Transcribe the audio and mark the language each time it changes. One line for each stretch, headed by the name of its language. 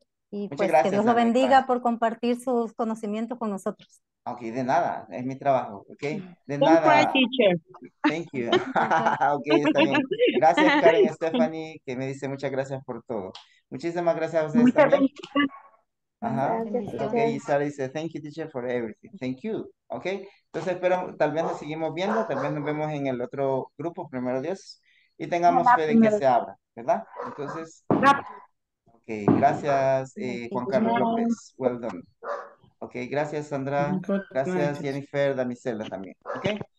Spanish: Y muchas pues gracias, que Dios lo bendiga por compartir sus conocimientos con nosotros. Ok, de nada, es mi trabajo, ok. De thank nada. Gracias,
English: teacher. Thank you. Ok, está bien.
Spanish: Gracias, Karen y Stephanie, que me dice muchas gracias por todo. Muchísimas gracias a ustedes muchas también. Gracias. Ajá. Okay, y Sara dice,
English: thank you, teacher, for everything. Thank you. Okay.
Spanish: Entonces, espero, tal vez nos seguimos viendo, tal vez nos vemos en el otro grupo, primero Dios, y tengamos fe de que se abra, ¿verdad? Entonces, okay, gracias, Juan Carlos López.
English: Well done.
Spanish: Okay, gracias, Sandra. Gracias, Jennifer, Damisela también. Okay.